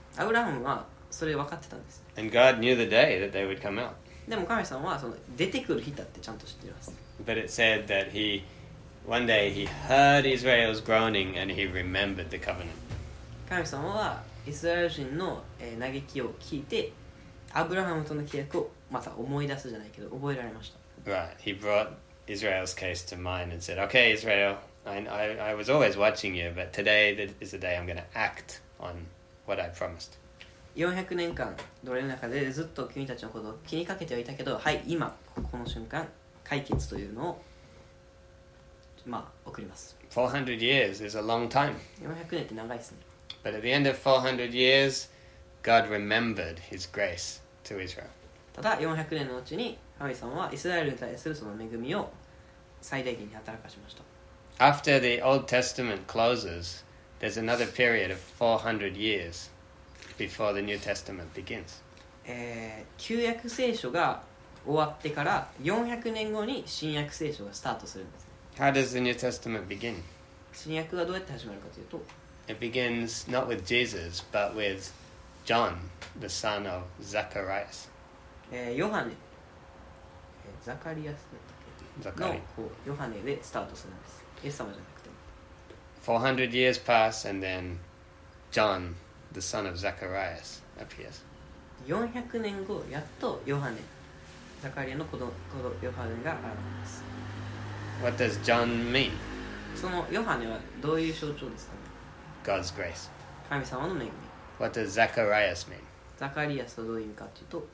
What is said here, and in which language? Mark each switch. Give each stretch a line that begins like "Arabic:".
Japanese: アブラハムはそれ分かってたんです。
English: And God knew the day that they would come out.
Japanese: でも神様はその出てくる日だってちゃんと知っています。
English: But it said that he... One day he heard Israel's groaning and he remembered the covenant.
Japanese: 神様はイスラエル人の嘆きを聞いて、アブラハムとの契約をまた思い出すじゃないけど覚えられました。
English: Right, he brought Israel's case to mind and said, "Okay, Israel, I was always watching you, but today is the day I'm going to act on what I promised."
Japanese: 400年間奴隷の中でずっと君たちのことを気にかけてはいたけど、はい、今この瞬間解決というのを。送ります。
English: 400 years is a long time.
Japanese: 400年って長いですね。
English: But at the end of 400 years, God remembered His grace to Israel.
Japanese: ただ400年のうちに神様はイスラエルに対するその恵みを最大限に働かしました。
English: After the Old Testament closes, there's another period of 400 years before the New Testament begins.
Japanese: 旧約聖書が終わってから400年後に新約聖書がスタートするんです。
English: How does the New Testament begin?
Japanese: 新約はどうやって始まるかというと、
English: It begins not with Jesus, but with John, the son of Zacharias.
Japanese: ヨハネ、ザカリアスだったっけ？のヨハネでスタートするんです。イエス様じゃなくて。
English: 400 years pass, and then John, the son of Zacharias, appears.
Japanese: 400年後、やっとヨハネ、ザカリアの子供、ヨハネが現れます。
English: What does John mean?
Japanese: そのヨハネはどういう象徴ですかね?
English: God's grace.
Japanese: 神様の恵み。
English: What does Zacharias mean?
Japanese: ザカリアスはどういう意味かというと、